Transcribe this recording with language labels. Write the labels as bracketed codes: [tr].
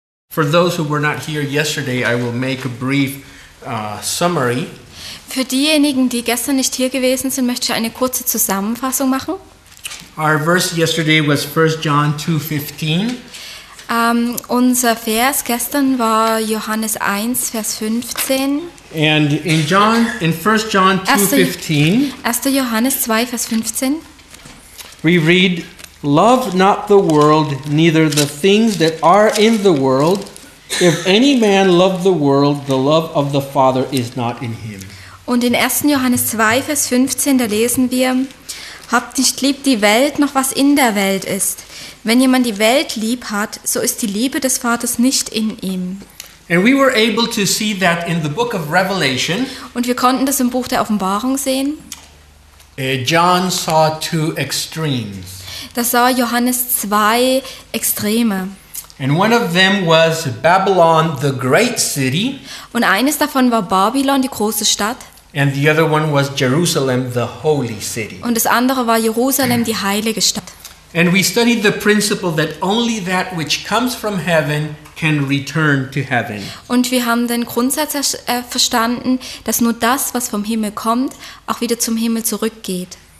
[en] For those who were not here yesterday, I will make a brief summary. [de] Für diejenigen, die gestern nicht hier gewesen sind, möchte ich eine kurze Zusammenfassung machen. [en] Our verse yesterday was 1 John 2:15. [de] Unser Vers gestern war Johannes 1, Vers 15. [en] And in John, in 1 John 2:15. [de] 1. Johannes 2, Vers 15. [en] We read, "Love not the world, neither the things that are in the world. If any man love the world, the love of the Father is not in him." [de] Und in 1. Johannes 2, Vers 15, da lesen wir, "Habt nicht lieb die Welt, noch was in der Welt ist. Wenn jemand die Welt lieb hat, so ist die Liebe des Vaters nicht in ihm." [en] And we were able to see that in the book of Revelation. [de] Und wir konnten das im Buch der Offenbarung sehen. [en] John saw two extremes. [de] Da sah Johannes zwei Extreme. [en] And one of them was Babylon, the great city. [de] Und eines davon war Babylon, die große Stadt. [en] And the other one was Jerusalem, the holy city. [de] Und das andere war Jerusalem, die heilige Stadt. [en] And we studied the principle that only that which comes from heaven can return to heaven. [de] Und wir haben den Grundsatz verstanden, dass nur das, was vom Himmel kommt, auch wieder zum Himmel zurückgeht.